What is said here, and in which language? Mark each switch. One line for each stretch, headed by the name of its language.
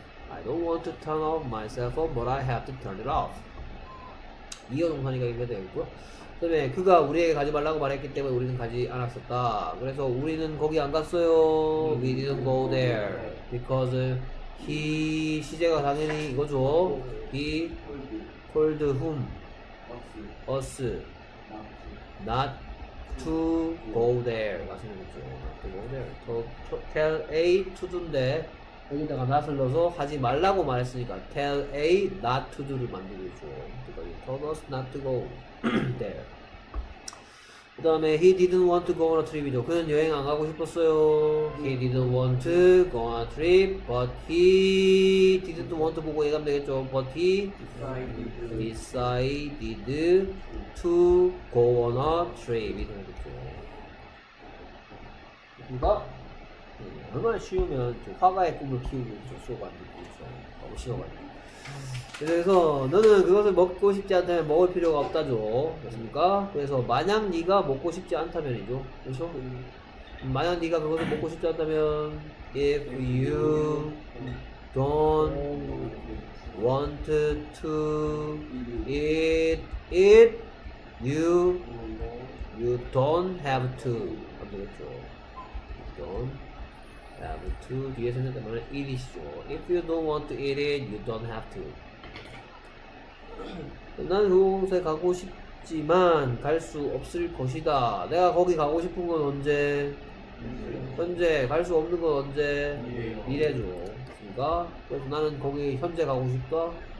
English: I don't want to turn off my cell phone, but I have to turn it off.
Korean: 이어동사니까 이렇게 되겠고요. 그 다음에 그가 우리에게 가지 말라고 말했기 때문에 우리는 가지 않았었다. 그래서 우리는 거기 안 갔어요.
English: We didn't go there. Because he
Korean: 시제가 당연히 이거죠.
English: He called whom? Us. Not to go there.
Korean: 맞습니다.
English: Not to go there. Tell A to do
Korean: 인데 여기다가 not을 넣어서 하지 말라고 말했으니까
English: Tell A not to do
Korean: 를 만들고 있죠.
English: Told us not to go there.
Korean: 그 다음에
English: He didn't want to go on a trip이죠.
Korean: 그는 여행 안 가고 싶었어요.
English: He didn't want to go on a trip but he didn't want to
Korean: 보고 얘기하면 되겠죠.
English: But he decided to go on a trip.
Korean: 됩니까? 얼마나 쉬우면 화가의 꿈을 키우는 수업 안 듣고 있죠. 너무 쉬워가지고. 그래서 너는 그것을 먹고 싶지 않다면 먹을 필요가 없다죠. 그렇습니까? 그래서 만약 네가 먹고 싶지 않다면이죠. 그렇죠? 만약 네가 그것을 먹고 싶지 않다면
English: If you don't want to eat it you don't have to
Korean: 안 되겠죠.
English: Don't have to
Korean: 뒤에 생각하면
English: eat it이죠. If you don't want to eat it you don't have to.
Korean: 난 그곳에 가고 싶지만 갈 수 없을 것이다. 내가 거기 가고 싶은 건 언제? 현재. 갈 수 없는 건 언제? 미래죠. 그러니까 그래서 나는 거기 현재 가고 싶다.